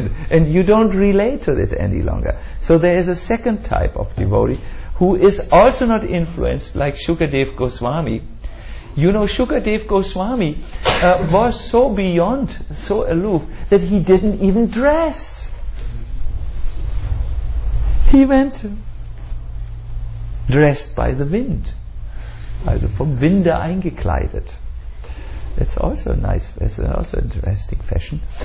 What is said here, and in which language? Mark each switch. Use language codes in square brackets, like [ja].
[en] and you don't relate to it any longer. So there is a second type of devotee who is also not influenced, like Shukadev Goswami. You know, Shukadev Goswami was so beyond, so aloof, that he didn't even dress. He went dressed by the wind. [de] Also vom Winde eingekleidet. [en] It's also nice, it's also interesting fashion.